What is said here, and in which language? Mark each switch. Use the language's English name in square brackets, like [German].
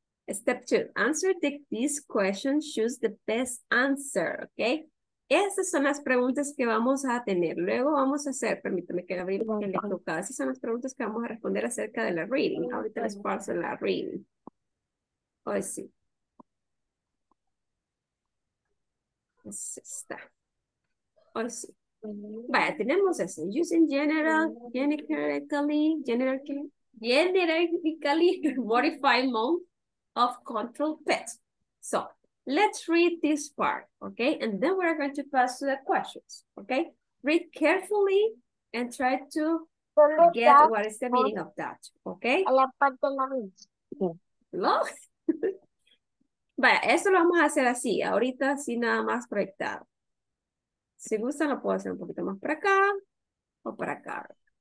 [English] Step two, answer this question, choose the best answer, okay? [Spanish] Esas son las preguntas que vamos a tener. Luego vamos a hacer, permítame que abrí el tocado. Esas son las preguntas que vamos a responder acerca de la reading. Ahorita les paso la reading. Hoy sí. Así está. Hoy sí. Vaya, tenemos eso. [English] Using genetically modified mode of control pets. So, let's read this part, okay? And then we're going to pass to the questions, okay? Read carefully and try to get what is the meaning of that, okay? [Spanish] A la parte de la ¿no? Vaya, eso lo vamos a hacer así, ahorita así nada más proyectado. Si gusta, lo puedo hacer un poquito más para acá o para acá.